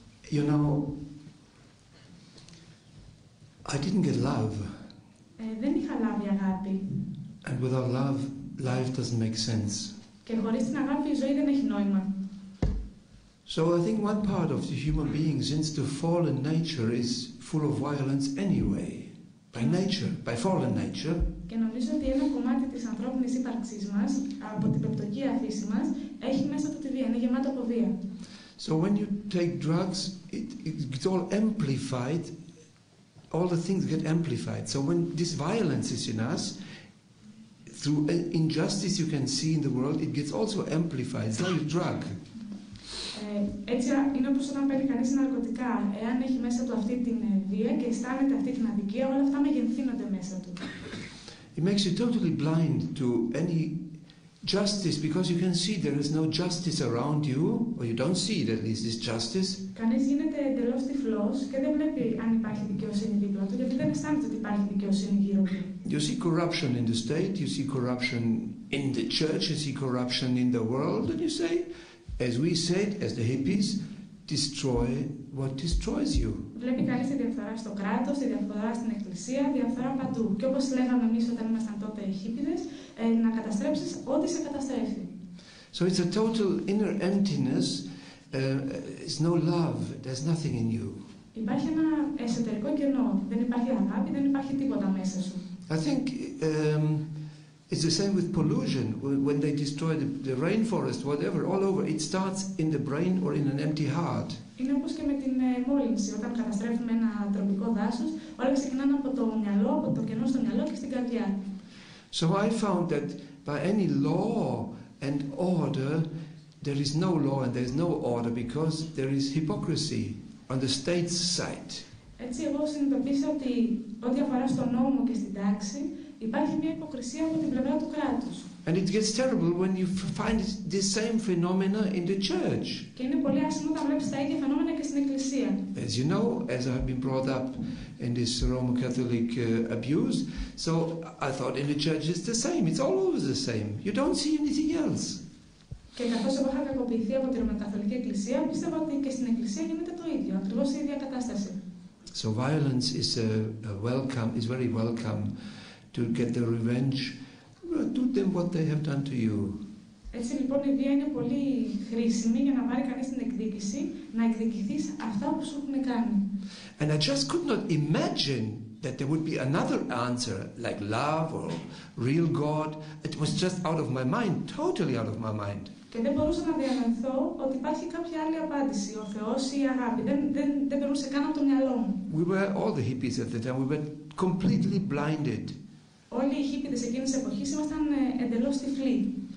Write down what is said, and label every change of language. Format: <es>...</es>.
<en>You know, I didn't get love.</en> <el>Δεν είχα λάβει αγάπη.</el> <en>And without love, life doesn't make sense.</en> <el>Και χωρίς την αγάπη η ζωή δεν έχει νόημα.</el> <en>So I think one part of the human being, since the fallen nature is full of violence anyway, by nature, by fallen nature.</en> <el>Και νομίζω ότι ένα κομμάτι της ανθρώπινης ύπαρξής μας, από την πεπτογεία φύση μας, έχει μέσα του τη βία, είναι γεμάτο από βία.</el> <en>So when you take drugs, it's all amplified, all the things get amplified. So when this violence is in us, through injustice you can see in the world, it gets also amplified. It's like a drug.</en> <el>Έτσι είναι όπως όταν παίρνει κανείς ναρκωτικά. Εάν έχει μέσα του αυτή την βία και αισθάνεται αυτή την αδικία, όλα αυτά μεγενθύνονται μέσα του.</el> <en>It makes you totally blind to any justice because you can see there is no justice around you, or you don't see that there is justice.</en> <el>Κανείς γίνεται εντελώς τυφλός και δεν βλέπει αν υπάρχει δικαιοσύνη δίπλα του, γιατί δεν αισθάνεται ότι υπάρχει δικαιοσύνη γύρω του.</el> <en>You see corruption in the state, you see corruption in the church, you see corruption in the world, and you say, as we said, as the hippies, destroy what destroys you.</en> <el>Βλέπει κανείς τη διαφθορά στο κράτος, τη διαφθορά στην εκκλησία, διαφθορά παντού. Και όπως λέγαμε εμείς όταν ήμασταν τότε χίπηδες, να καταστρέψεις ό,τι σε καταστρέφει.</el> <en>So it's a total inner emptiness, it's no love, there's nothing in you.</en> <el>Υπάρχει ένα εσωτερικό κενό, δεν υπάρχει αγάπη, δεν υπάρχει τίποτα μέσα σου.</el> <en>I think it's the same with pollution. When they destroy the rainforest, whatever, all over, it starts in the brain or in an empty heart.</en> <el>Είναι όπως και με την μόλυνση. Όταν καταστρέφουμε ένα τροπικό δάσος, όλα ξεκινάνε από το μυαλό, από το κενό στο μυαλό και στην καρδιά.</el> <en>So I found that by any law and order, there is no law and there is no order because there is hypocrisy on the state's side.</en> <el>Έτσι εγώ συνειδητοποίησα ότι ό,τι αφορά στον νόμο και στην τάξη υπάρχει μια υποκρισία από την πλευρά του κράτους.</el> <en>And it gets terrible when you find this same phenomena in the church.</en> <el>Και είναι πολύ άσχημο όταν βλέπεις τα ίδια φαινόμενα και στην εκκλησία.</el> <en>As you know, as I've been brought up in this Roman Catholic abuse, so I thought in the church it's the same, it's all over the same. You don't see anything else.</en> <el>Και καθώς εγώ είχα κακοποιηθεί από την Ρωμαιοκαθολική Εκκλησία, πίστευα ότι και στην Εκκλησία γίνεται το ίδιο, ακριβώς η ίδια κατάσταση.</el> <en>So violence is a welcome, is very welcome to get the revenge. Do them what they have done to you.</en> <el>Έτσι λοιπόν η βία είναι πολύ χρήσιμη για να πάρει κανείς την εκδίκηση, να εκδικηθείς αυτά που σου έχουν κάνει.</el> <en>And I just could not imagine that there would be another answer, like love or real God. It was just out of my mind, totally out of my mind.</en> <el>Και δεν μπορούσα να διανοηθώ ότι υπάρχει κάποια άλλη απάντηση, ο Θεός ή η αγάπη. Δεν περνούσε καν από το μυαλό μου.</el> <en>We were all the hippies at the time. We were completely blinded.</en> <el>Όλοι οι hippies εκείνης εποχής ήμασταν εντελώς τυφλοί.</el>